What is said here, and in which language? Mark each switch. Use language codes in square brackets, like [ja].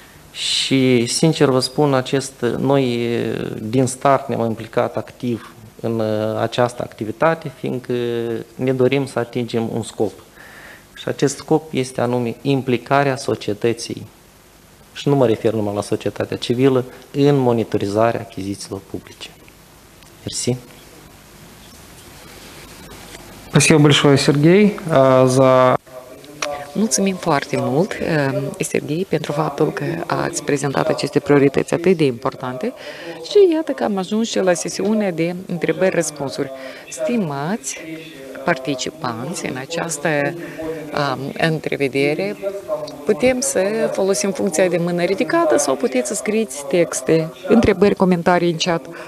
[ro] Și sincer vă spun, noi din start ne-am implicat activ în această activitate, fiindcă ne dorim să atingem un scop. Și acest scop este anume implicarea societății, și nu mă refer numai la societatea civilă, în monitorizarea achizițiilor publice. Mersi. [ru] Спасибо большое, Сергей, за... [ro] Mulțumim foarte mult, Sergei, pentru faptul că ați prezentat aceste priorități atât de importante și iată că am ajuns și la sesiunea de întrebări-răspunsuri. Stimați participanți, în această întrevedere, putem să folosim funcția de mână ridicată sau puteți să scrieți texte, întrebări, comentarii în chat.